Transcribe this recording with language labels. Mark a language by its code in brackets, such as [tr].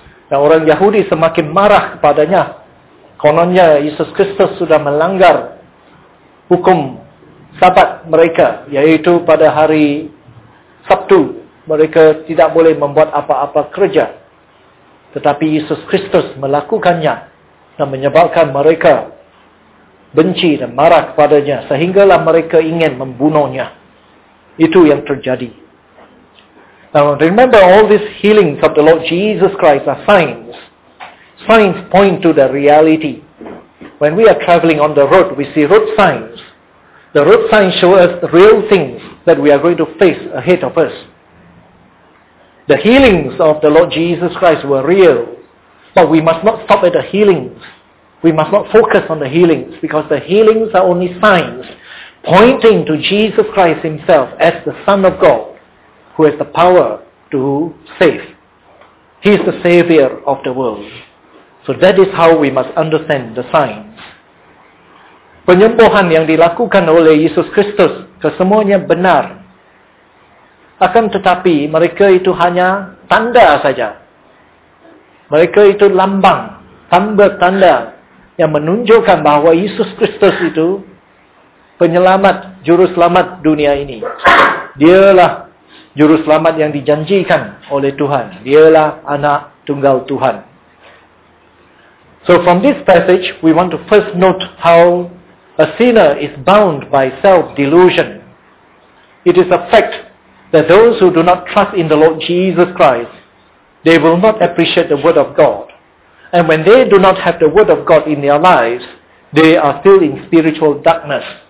[ms] Dan orang Yahudi semakin marah kepadanya. Kononnya Yesus Kristus sudah melanggar hukum Sabat mereka, yaitu pada hari Sabtu mereka tidak boleh membuat apa-apa kerja. Tetapi Yesus Kristus melakukannya dan menyebabkan mereka benci dan marah kepadanya sehinggalah mereka ingin membunuhnya. Itu yang terjadi. [en] Now remember, all these healings of the Lord Jesus Christ are signs. Signs point to the reality. When we are traveling on the road, we see road signs. The road signs show us the real things that we are going to face ahead of us. The healings of the Lord Jesus Christ were real, but we must not stop at the healings. We must not focus on the healings, because the healings are only signs pointing to Jesus Christ himself as the Son of God, who has the power to save. He is the Savior of the world. So that is how we must understand the signs. [ms] Penyembuhan yang dilakukan oleh Yesus Kristus, kesemuanya benar. Akan tetapi mereka itu hanya tanda saja. Mereka itu lambang, tanda-tanda yang menunjukkan bahwa Yesus Kristus itu penyelamat, juru selamat dunia ini. Dialah juru selamat yang dijanjikan oleh Tuhan. Dialah anak tunggal Tuhan. [en] So from this passage, we want to first note how a sinner is bound by self-delusion. It is a fact that those who do not trust in the Lord Jesus Christ, they will not appreciate the Word of God. And when they do not have the Word of God in their lives, they are still in spiritual darkness.